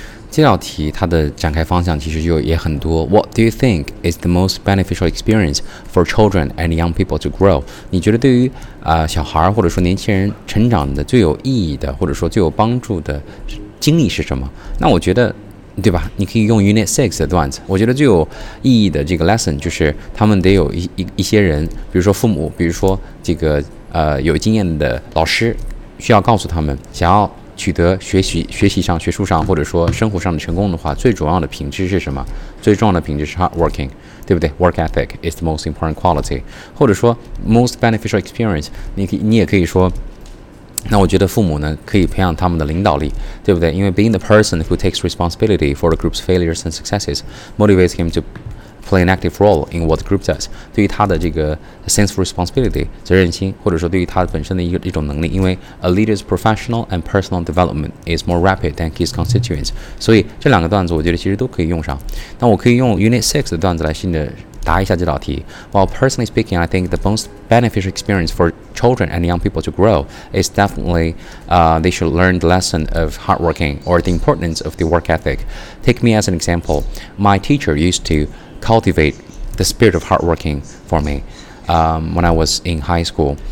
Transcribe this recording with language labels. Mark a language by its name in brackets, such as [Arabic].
[Chinese] 这道题它的展开方向其实就也很多。 [English] What do you think is the most beneficial experience for children and young people to grow? [Chinese] 你觉得对于、小孩或者说年轻人成长的最有意义的或者说最有帮助的经历是什么？那我觉得，对吧？你可以用 Unit 6的段子。我觉得最有意义的这个 lesson 就是他们得有 一些人，比如说父母，比如说这个、有经验的老师，需要告诉他们，想要取得学习上、学术上或者说生活上的成功的话，最主要的品质是什么？最重要的品质是 [English] hardworking， [Chinese] 对不对 [English] ？Work ethic is the most important quality， [Chinese] 或者说 [English] most beneficial experience， [Chinese] 你也可以说。那我觉得父母呢可以培养他们的领导力，对不对？因为 [English] being the person who takes responsibility for the group's failures and successes motivates him to play an active role in what the group does。 [Chinese] 对于他的这个 [English] sense of responsibility [Chinese] 责任心，或者说对于他本身的一种能力，因为 [English] a leader's professional and personal development is more rapid than his constituents。 [Chinese] 所以这两个段子我觉得其实都可以用上。那我可以用 Unit 6的段子来新的答一下这道题。 [English] Well, personally speaking, I think the most beneficial experience for children and young people to grow is definitely、they should learn the lesson of hardworking or the importance of the work ethic. Take me as an example. My teacher used to cultivate the spirit of hardworking for me、when I was in high school.